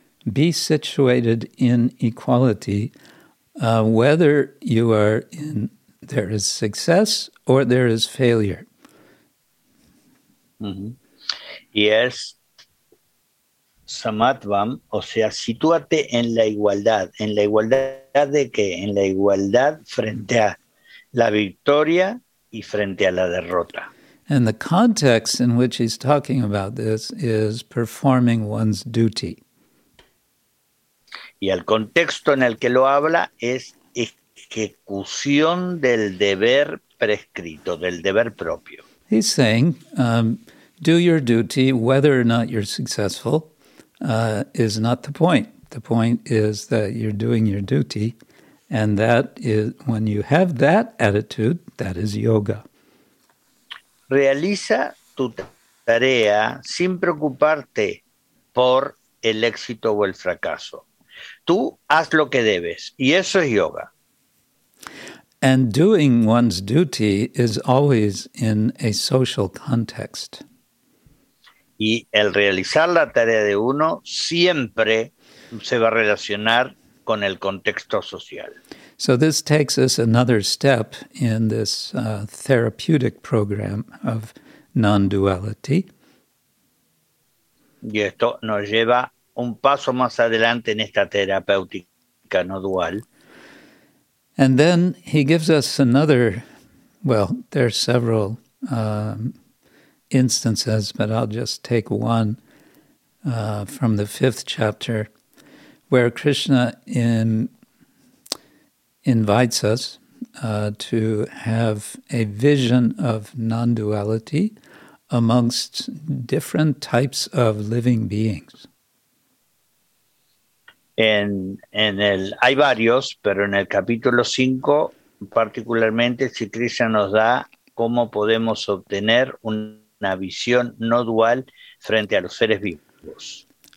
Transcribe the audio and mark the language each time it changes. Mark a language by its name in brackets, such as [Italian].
[English] Be situated in equality, whether you are in, there is success or there is failure. Yes, [Spanish] samatvam, o sea, sitúate en la igualdad. ¿En la igualdad de qué? En la igualdad frente a la victoria y frente a la derrota. [English] And the context in which he's talking about this is performing one's duty. [Spanish] Y el contexto en el que lo habla es ejecución del deber prescrito, del deber propio. [English] He's saying, do your duty, whether or not you're successful, is not the point. The point is that you're doing your duty, and that is, when you have that attitude, that is yoga. [Spanish] Realiza tu tarea sin preocuparte por el éxito o el fracaso. Tú haz lo que debes, y eso es yoga. [English] And doing one's duty is always in a social context. [Spanish] Y el realizar la tarea de uno siempre se va a relacionar con el contexto social. [English] So this takes us another step in this therapeutic program of non-duality. [Spanish] Y esto nos lleva un paso más adelante en esta terapéutica no dual. [English] And then he gives us another, well, there are several instances, but I'll just take one from the fifth chapter, where Krishna invites us to have a vision of non-duality amongst different types of living beings. [Spanish] Hay varios, pero en el capítulo 5, particularmente, si Krishna nos da cómo podemos obtener una visión no dual frente a los seres vivos.